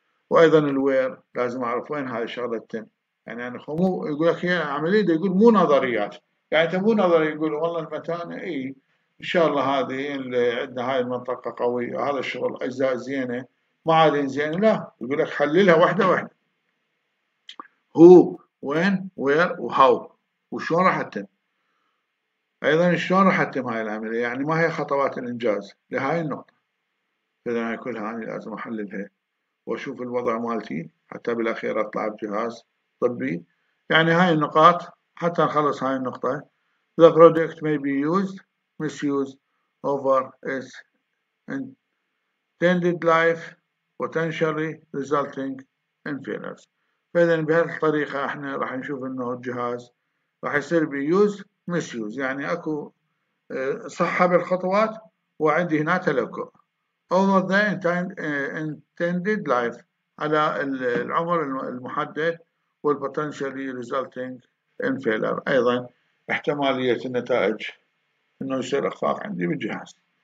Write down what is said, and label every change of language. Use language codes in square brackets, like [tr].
[ar] وأيضا الوير لازم أعرف وين هاي الشغلة تتم. يعني انا خمو يقول لك هي عمليه، دي يقول مو نظريات، يعني انت مو نظري يقول والله المتانة اي ان شاء الله هذه عندنا هاي المنطقه قويه، هذا الشغل اجزاء زينه ما عاد زينه، لا، يقول لك حللها واحده واحده، هو وين [en] where وهاو [ar] وشلون راح اتم، ايضا شلون راح اتم هاي العمليه، يعني ما هي خطوات الانجاز لهاي النقطه. فاذا كلها انا لازم احللها واشوف الوضع مالتي حتى بالاخير اطلع بجهاز طبي. يعني هاي النقاط حتى نخلص هاي النقطة، [en] the product may be used, misused, over its intended life, potentially resulting in failures. [ar] فإذا بهالطريقة احنا راح نشوف انه الجهاز راح يصير [en] be used, misused، [ar] يعني اكو صحة بالخطوات وعندي هنا تلكؤ، [en] over the intended life، [ar] على العمر المحدد، وال [en] potentially resulting in failure، [ar] أيضا احتمالية النتائج أنه يصير إخفاق عندي بالجهاز.